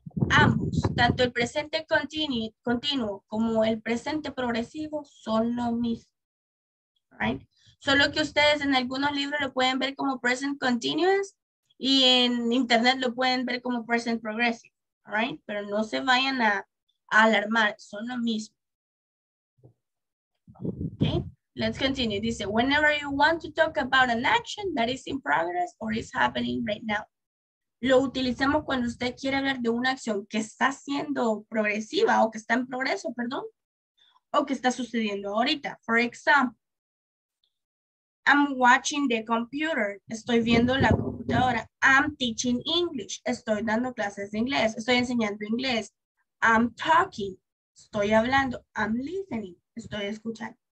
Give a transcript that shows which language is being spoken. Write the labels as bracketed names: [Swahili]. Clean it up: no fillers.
[Spanish] Ambos, tanto el presente continuo como el presente progresivo son lo mismo. Right? Solo que ustedes en algunos libros lo pueden ver como present continuous y en internet lo pueden ver como present progressive. Right? Pero no se vayan a alarmar, son lo mismo. [English] Okay? Let's continue. Dice, whenever you want to talk about an action that is in progress or is happening right now. [Spanish] Lo utilizamos cuando usted quiere hablar de una acción que está siendo progresiva o que está en progreso, perdón, o que está sucediendo ahorita. [English] For example, I'm watching the computer. [Spanish] Estoy viendo la computadora. [English] I'm teaching English. [Spanish] Estoy dando clases de inglés. Estoy enseñando inglés. [English] I'm talking. [Spanish] Estoy hablando. [English] I'm listening. [Spanish] Estoy escuchando.